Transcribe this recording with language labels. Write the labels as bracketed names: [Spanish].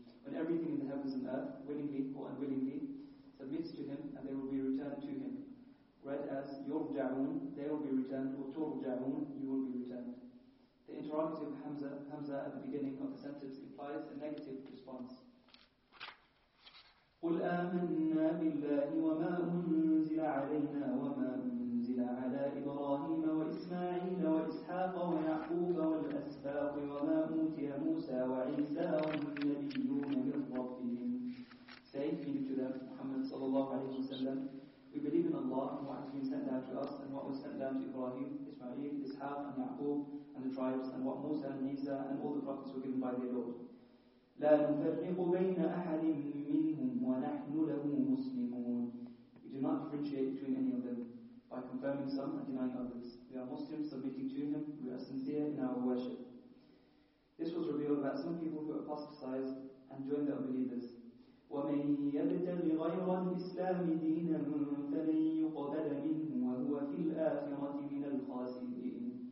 [English] When everything in the heavens and earth, willingly or unwillingly, submits to him, and they will be returned to him. Read as يُرْجَعُونَ, they will be returned, or تُرْجَعُونَ, you will be returned. The interrogative Hamza at the beginning of the sentence implies a negative response. [Arabic] قُلْ آمَنَّا بِاللَّهِ وَمَا أُنزِلَ عَلَيْنَا وَمَا على إبراهيم وإسماعيل وإسحاق ويعقوب والأسباط وما أوتي موسى وعيسى والنبيون من ربهم. [English] Saying to them, Muhammad sallallahu alayhi wa sallam, we believe in Allah and what has been sent down to us and what was sent down to Ibrahim, Ismail, Ishaq and Yaqub and the tribes and what Musa and Isa and all the prophets were given by their Lord. [Arabic] لا نفرق بين أحد منهم ونحن له مسلمون. [English] We do not differentiate between any of them by confirming some and denying others. We are Muslims submitting to him, we are sincere in our worship. This was revealed about some people who apostatized and joined the unbelievers. [Arabic] وَمَن يَبْتَغِ غَيْرَ الْإِسْلَامِ دِينًا فَلَن يُقْبَلَ مِنْهُ وَهُوَ فِي الْآخِرَةِ مِنَ الْخَاسِرِينَ.